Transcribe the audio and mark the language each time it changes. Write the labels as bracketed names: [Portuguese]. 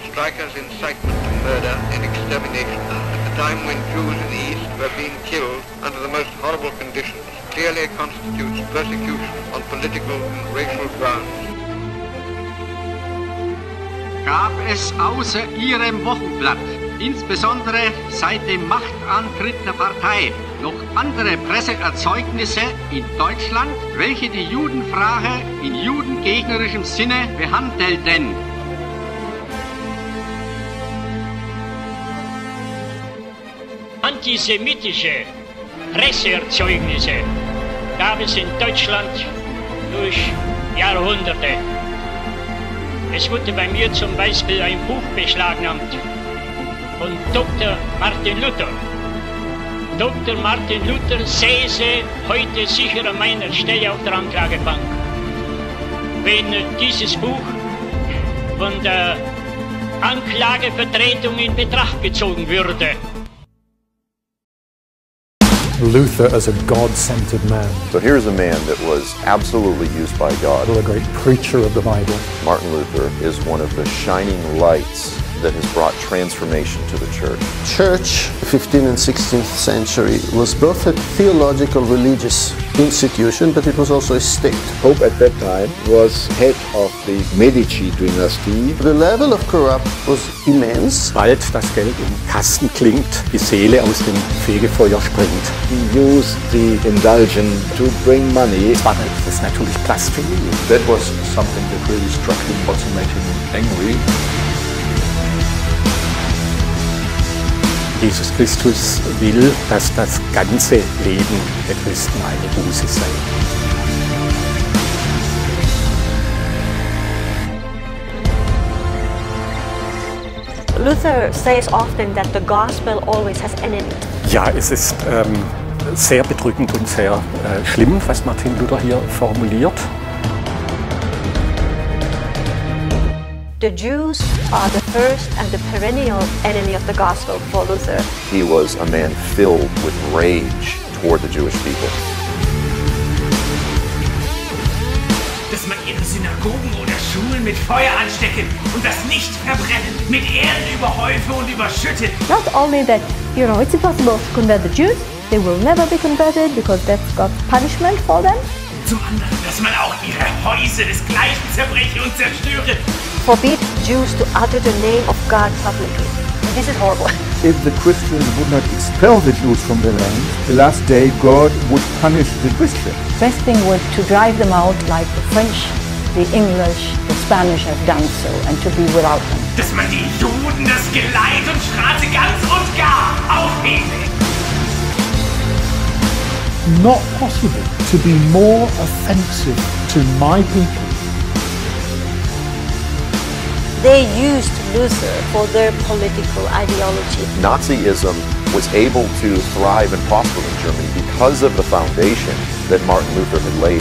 [English] Streicher's incitement to murder and extermination at the time when Jews in the East were being killed under the most horrible conditions clearly constitutes persecution on political and racial grounds. [German] Gab es außer Ihrem Wochenblatt, insbesondere seit dem Machtantritt der Partei, noch andere Presseerzeugnisse in Deutschland, welche die Judenfrage in judengegnerischem Sinne behandelten? Antisemitische Presseerzeugnisse gab es in Deutschland durch Jahrhunderte. Es wurde bei mir zum Beispiel ein Buch beschlagnahmt von Dr. Martin Luther. Dr. Martin Luther säße heute sicher an meiner Stelle auf der Anklagebank, wenn dieses Buch von der Anklagevertretung in Betracht gezogen würde. [English] Luther as a God-centered man. So here's a man that was absolutely used by God. A great preacher of the Bible. Martin Luther is one of the shining lights that has brought transformation to the church. Church, 15th and 16th century, was both a theological religious institution, but it was also a state. Pope at that time was head of the Medici dynasty. The level of corrupt was immense. [German] Bald das Geld im Kasten klingt, die Seele aus dem Fegefeuer springt. [English] He used the indulgence to bring money. [German] Das ist natürlich Blasphemie. [English] That was something that really struck him, also made him angry. [German] Jesus Christus will, dass das ganze Leben der Christen eine Buße sei. [English] Luther says often that the gospel always has enemies. [German] Ja, es ist sehr bedrückend und sehr schlimm, was Martin Luther hier formuliert. [English] The Jews are the first and the perennial enemy of the gospel for Luther. He was a man filled with rage toward the Jewish people. [German] Dass man ihre Synagogen oder Schulen mit Feuer anstecken und das nicht verbrennen, mit Erden überhäufe und überschütte. [English] Not only that, you know, it's impossible to convert the Jews. They will never be converted because that's God's punishment for them. [German] Zum anderen, dass man auch ihre Häuser des Gleichen zerbreche und zerstöre. [English] Forbid Jews to utter the name of God publicly. And this is horrible. If the Christians would not expel the Jews from the land, the last day God would punish the Christians. Best thing was to drive them out like the French, the English, the Spanish have done so, and to be without them. [German] Dass man die Juden das Geleit und Straße ganz und gar aufhebe. [English] Not possible to be more offensive to my people. They used Luther for their political ideology. Nazism was able to thrive and prosper in Germany because of the foundation that Martin Luther had laid.